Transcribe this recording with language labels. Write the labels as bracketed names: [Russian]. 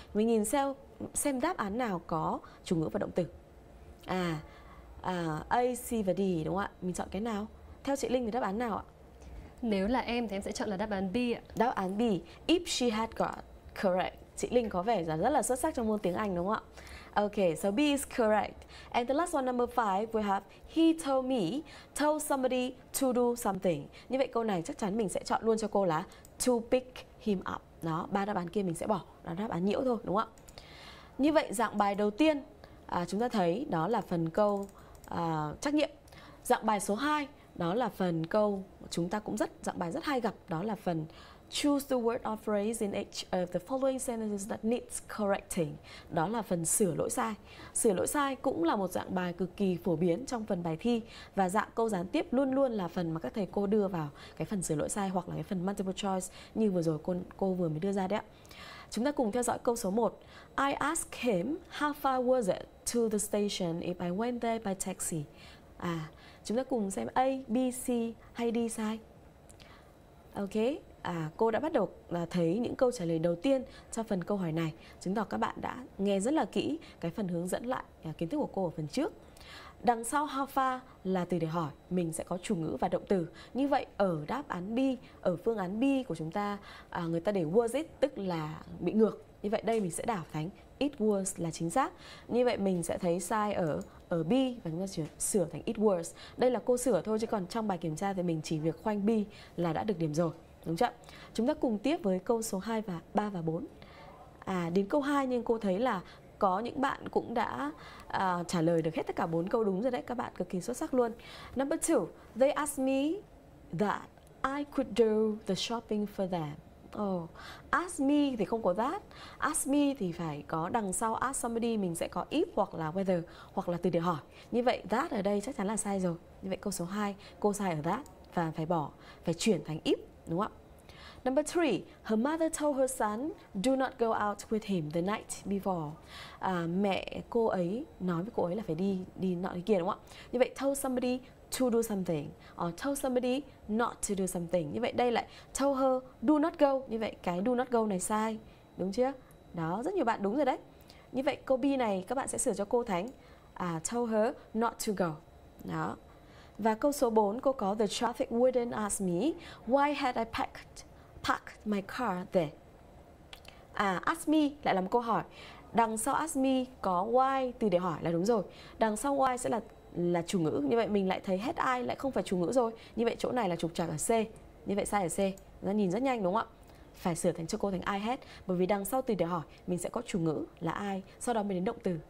[Vietnamese] Mình nhìn xem đáp án nào có chủ ngữ và động từ. A, C và D đúng không ạ? Mình chọn cái nào? Theo chị Linh thì đáp án nào ạ? Nếu là em thì em sẽ chọn là đáp án B ạ. Đáp án B, [English] if she had got, correct. [Vietnamese] Chị Linh có vẻ là rất là xuất sắc trong môn tiếng Anh đúng không ạ? [English] Ok, so B is correct. And the last one, number 5, we have he told me, told somebody to do something. [Vietnamese] Như vậy câu này chắc chắn mình sẽ chọn luôn cho cô là [English] to pick him up. [Vietnamese] Đó, ba đáp án kia mình sẽ bỏ, là đáp án nhiễu thôi đúng không ạ? Như vậy dạng bài đầu tiên chúng ta thấy đó là phần câu trắc nghiệm. Dạng bài số 2 đó là phần câu chúng ta cũng rất dạng bài rất hay gặp, đó là phần [English] Choose the word or phrase in each of the following sentences that needs correcting. [Vietnamese] Đó là phần sửa lỗi sai. Sửa lỗi sai cũng là một dạng bài cực kỳ phổ biến trong phần bài thi, và dạng câu gián tiếp luôn luôn là phần mà các thầy cô đưa vào cái phần sửa lỗi sai hoặc là cái phần multiple choice như vừa rồi cô vừa mới đưa ra đấy. Chúng ta cùng theo dõi câu số 1. [English] I ask him how far was it to the station if I went there by taxi. [Vietnamese] À, chúng ta cùng xem A, B, C hay D sai. Ok. À, cô đã bắt đầu là thấy những câu trả lời đầu tiên cho phần câu hỏi này, chứng tỏ các bạn đã nghe rất là kỹ cái phần hướng dẫn lại kiến thức của cô ở phần trước. Đằng sau how far là từ để hỏi, mình sẽ có chủ ngữ và động từ. Như vậy ở đáp án B, ở phương án B của chúng ta, người ta để was it tức là bị ngược. Như vậy đây mình sẽ đảo thành it was là chính xác. Như vậy mình sẽ thấy sai ở B và chúng ta sửa thành it was. Đây là cô sửa thôi chứ còn trong bài kiểm tra thì mình chỉ việc khoanh B là đã được điểm rồi. Đúng chưa? Chúng ta cùng tiếp với câu số 2 và 3 và 4. À, đến câu 2 nhưng cô thấy là có những bạn cũng đã trả lời được hết tất cả 4 câu đúng rồi đấy. Các bạn cực kỳ xuất sắc luôn. [English] Number 2. They asked me that I could do the shopping for them. [Vietnamese] Oh, ask me thì không có that. Ask me thì phải có đằng sau ask somebody mình sẽ có if hoặc là whether hoặc là từ để hỏi. Như vậy that ở đây chắc chắn là sai rồi. Như vậy câu số 2 cô sai ở that và phải bỏ, phải chuyển thành if. Đúng không? [English] Number 3, her mother told her son, do not go out with him the night before. [Vietnamese] Mẹ cô ấy nói với cô ấy là phải đi nọ đi kia đúng không? Như vậy, [English] told somebody to do something, or told somebody not to do something. [Vietnamese] Như vậy, đây lại [English] told her, do not go. [Vietnamese] Như vậy, cái do not go này sai, đúng chưa? Đó, rất nhiều bạn đúng rồi đấy. Như vậy, câu B này các bạn sẽ sửa cho cô Thánh, [English] told her not to go. [Vietnamese] Đó. Và câu số 4 cô có [English] the traffic wouldn't ask me why had I packed my car there. [Vietnamese] À, ask me lại là một câu hỏi. Đằng sau ask me có why từ để hỏi là đúng rồi. Đằng sau why sẽ là chủ ngữ. Như vậy mình lại thấy had I lại không phải chủ ngữ rồi. Như vậy chỗ này là trục trặc ở C. Như vậy sai ở C. Nó nhìn rất nhanh đúng không ạ? Phải sửa thành cho cô thành I had, bởi vì đằng sau từ để hỏi mình sẽ có chủ ngữ là I, sau đó mình đến động từ.